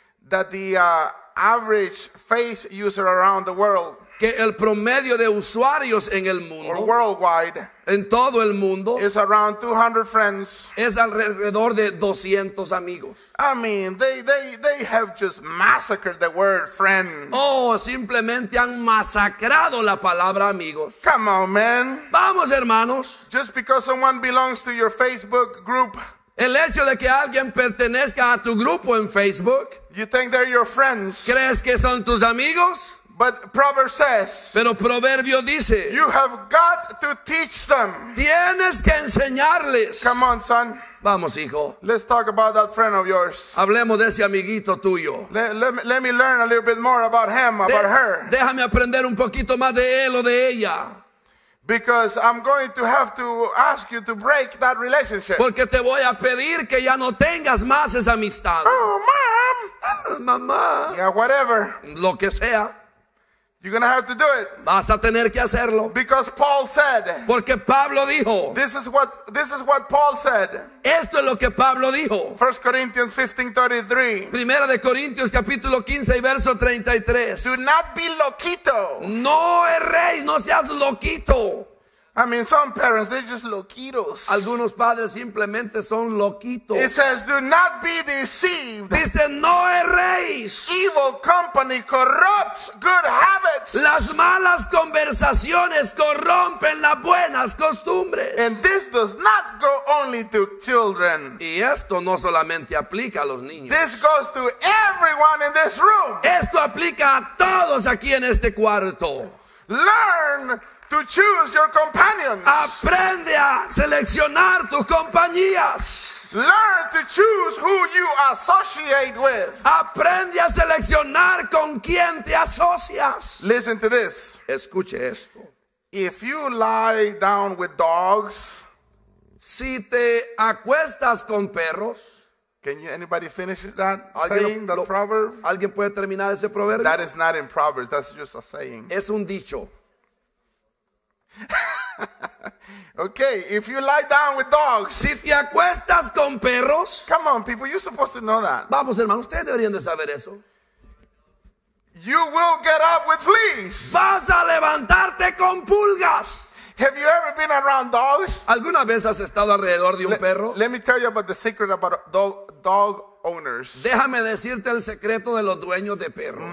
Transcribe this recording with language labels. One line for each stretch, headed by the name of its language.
English: That the average face user around the world,
Spanish: que el promedio de usuarios en el mundo,
English: or worldwide,
Spanish: en todo el mundo,
English: is around 200 friends.
Spanish: Es alrededor de 200 amigos.
English: I mean, they have just massacred the word friend.
Spanish: Oh, simplemente han masacrado la palabra amigos.
English: Come on, man.
Spanish: Vamos, hermanos.
English: Just because someone belongs to your Facebook group.
Spanish: El hecho de que alguien pertenezca a tu grupo en Facebook.
English: You think they're your friends.
Spanish: ¿Crees que son tus amigos?
English: But Proverbs says.
Spanish: Pero Proverbio dice.
English: You have got to teach them.
Spanish: Tienes que enseñarles.
English: Come on, son.
Spanish: Vamos, hijo.
English: Let's talk about that friend of yours.
Spanish: Hablemos de ese amiguito tuyo.
English: Let me learn a little bit more about him, about her.
Spanish: Déjame aprender un poquito más de él o de ella.
English: Because I'm going to have to ask you to break that relationship.
Spanish: Porque te voy a pedir que ya no tengas más esa amistad.
English: Oh, mom.
Spanish: Oh, mamá.
English: Yeah, whatever.
Spanish: Lo que sea.
English: You're going to have to do it.
Spanish: Vas a tener que hacerlo.
English: Because Paul said.
Spanish: Porque Pablo dijo.
English: This is what Paul said.
Spanish: Esto es lo que Pablo dijo.
English: 1 Corinthians 15:33.
Spanish: Primera de Corintios capítulo 15 y verso 33.
English: Do not be loquito.
Spanish: No erréis, no seas loquito.
English: I mean, some parents, they're just loquitos.
Spanish: Algunos padres simplemente son loquitos.
English: It says, do not be deceived.
Spanish: Dice, no erréis.
English: Evil company corrupts good habits.
Spanish: Las malas conversaciones corrompen las buenas costumbres.
English: And this does not go only to children.
Spanish: Y esto no solamente aplica a los niños.
English: This goes to everyone in this room.
Spanish: Esto aplica a todos aquí en este cuarto.
English: Learn to choose your companions.
Spanish: Aprende a seleccionar tus compañías.
English: Learn to choose who you associate with.
Spanish: Aprende a seleccionar con quién te asocias.
English: Listen to this.
Spanish: Escuche esto.
English: If you lie down with dogs,
Spanish: si te acuestas con perros,
English: can you, anybody finish that saying, that proverb?
Spanish: ¿Alguien puede terminar ese proverbio?
English: That is not in Proverbs, that's just a saying.
Spanish: Es un dicho.
English: Okay, if you lie down with dogs.
Spanish: Si te acuestas con perros.
English: Come on, people, you're supposed to know that.
Spanish: Vamos, hermano, ustedes deberían de saber eso.
English: You will get up with fleas.
Spanish: Vas a levantarte con pulgas.
English: Have you ever been around dogs?
Spanish: ¿Alguna vez has estado alrededor de un perro?
English: Let me tell you about the secret about dog owners.
Spanish: Déjame decirte el secreto de los dueños de perros.